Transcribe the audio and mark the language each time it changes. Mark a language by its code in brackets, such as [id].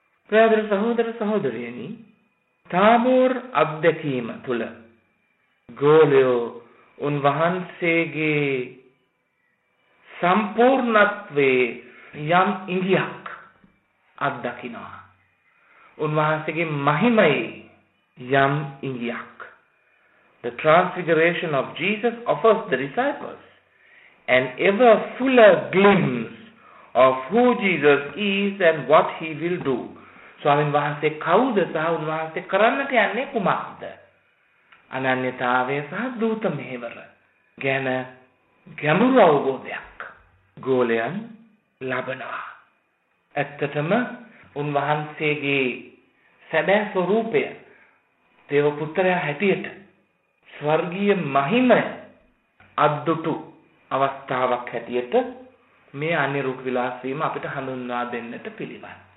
[si] ප්‍රියදර සහෝදර සහෝදරියනි, තාමෝර් අධ්‍යක්ීම තුල ගෝලියෝ උන්වහන්සේගේ සම්පූර්ණත්වයේ යම් ඉඟියක් අත්දකිනවා. උන්වහන්සේගේ මහිමයේ යම් ඉඟියක්. [en] The transfiguration of Jesus offers the disciples an ever fuller glimpse of who Jesus is and what he will do. [si] ස්වාමීන් වහන්සේ කවුද සහ උන්වහන්සේ කරන්නට යන්නේ කුමක්ද? අනන්‍යතාවය සහ දූත මෙහෙවර ගැන ගැඹුරු අවබෝධයක් ගෝලයන් ලබනවා. ඇත්තටම උන්වහන්සේගේ සැබෑ ස්වરૂපය දේව පුත්‍රයා හැටියට ස්වර්ගීය මහිම අද්දුටු අවස්ථාවක් හැටියට මේ අනිරුක් විලාසීම අපිට හඳුන්වා දෙන්නට පිළිවන්.